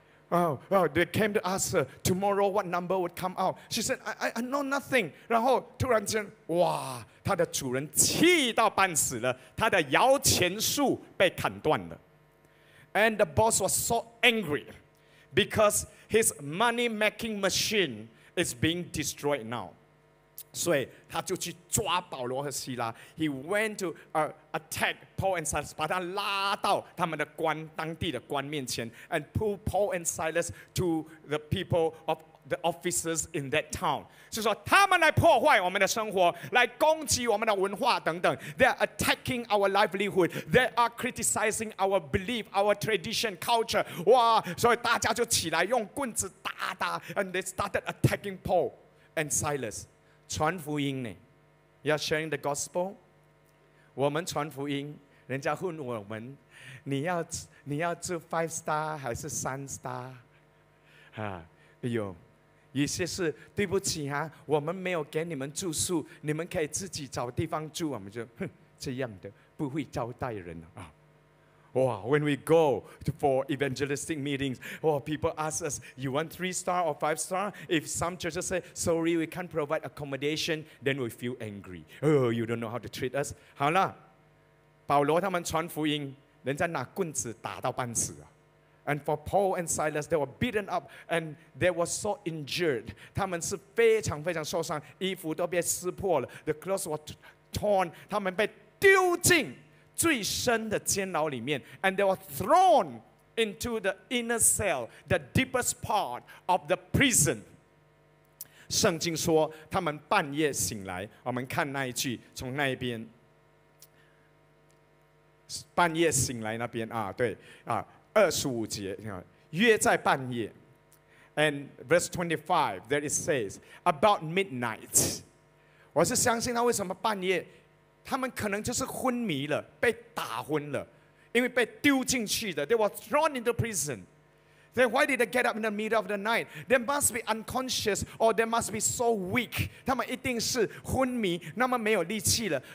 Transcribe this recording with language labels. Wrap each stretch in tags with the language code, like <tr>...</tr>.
<en>哦哦 ，They came to ask her tomorrow what number would come out. She said, "I know nothing."</en> <zh>然后突然间，哇，她的主人气到半死了，她的摇钱树被砍断了。</zh> <en>And the boss was so angry because.His money-making machine is being destroyed now.</en> <zh>所以他就去抓保罗和希拉。</zh> <en>He went to attack Paul and Silas,</en> <zh>把他拉到他们的官当地的官面前</zh> <en>and pull Paul and Silas to the people of the officers in that town.</en> <zh>就说他们来破坏我们的生活，来攻击我们的文化等等。</zh> <en>They are attacking our livelihood. They are criticizing our belief, our tradition, culture.</en> <zh>哇！所以大家就起来用棍子打打 ，</zh> <en>and they started attacking Paul and Silas.</en> <zh>传福音呢 ，</zh> <en>You are sharing the gospel。</en> <zh>我们传福音，人家问我们，你要住 five star 还是三 star？啊，哎呦，有些是对不起哈，我们没有给你们住宿，你们可以自己找地方住。我们就这样的，不会招待人啊。</zh> <en>Wow, when we go for evangelistic meetings, wow, people ask us, you want 3-star or 5-star? If some churches say, sorry, we can't provide accommodation, then we feel angry. Oh, you don't know how to treat us.</en> <zh>好了，保罗他们传福音，人家拿棍子打到半死啊。</zh> <en>And for Paul and Silas, they were beaten up and they were so injured.</en> <zh>他们是非常非常受伤，衣服都被撕破了，</zh> <en>the clothes were torn,</en> <zh>他们被丢进最深的监牢里面</zh> <en>and they were thrown into the inner cell, the deepest part of the prison.</en> <zh>圣经说他们半夜醒来，我们看那一句，从那一边半夜醒来那边啊，对啊，二十五节，约在半夜</zh> <en>and verse 25 there it says about midnight.</en> <zh>我是相信他为什么半夜，他们可能就是昏迷了，被打昏了，因为被丢进去的。</zh> <en>They were thrown into prison. Then why did they get up in the middle of the night? They must be unconscious or they must be so weak.</en> <zh>他们一定是昏迷，那么没有力气了。</zh>